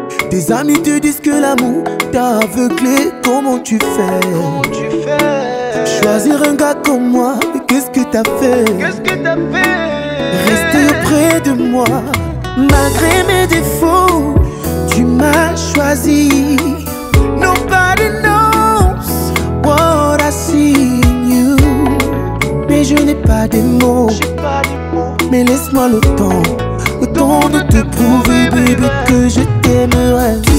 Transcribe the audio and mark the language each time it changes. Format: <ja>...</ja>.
<fr>Tes amis te disent que l'amour t'a aveuglé. Comment tu fais? Comment tu fais? Choisir un gars comme moi, qu'est-ce que t'as fait? Qu'est-ce que t'as fait? Rester près de moi. Malgré mes défauts, tu m'as choisi.</fr> <en>Nobody knows what I see in you.</en> <fr>Mais je n'ai pas des mots, j'ai pas des mots. Mais laisse-moi le temps de te prouver, baby, que je t'aimerai.</fr>